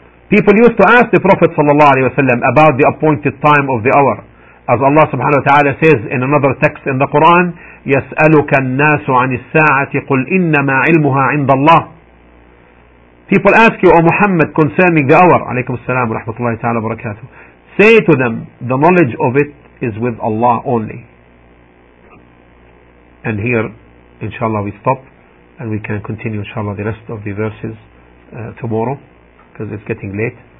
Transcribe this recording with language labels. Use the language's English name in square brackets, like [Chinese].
[English] People used to ask the Prophet sallallahu alaihi wasallam about the appointed time of the hour. As Allah subhanahu wa ta'ala says in another text in the Quran, [Arabic] يَسْأَلُكَ النَّاسُ عَنِ السَّاعَةِ قُلْ إِنَّمَا عِلْمُهَا عِنْدَ اللَّهِ. [English] People ask you, O Muhammad, concerning the hour. [Arabic] عليكم السلام ورحمة الله تعالى وبركاته. [English] Say to them, the knowledge of it is with Allah only. And here, inshallah, we stop and we can continue, inshallah, the rest of the verses tomorrow, because it's getting late.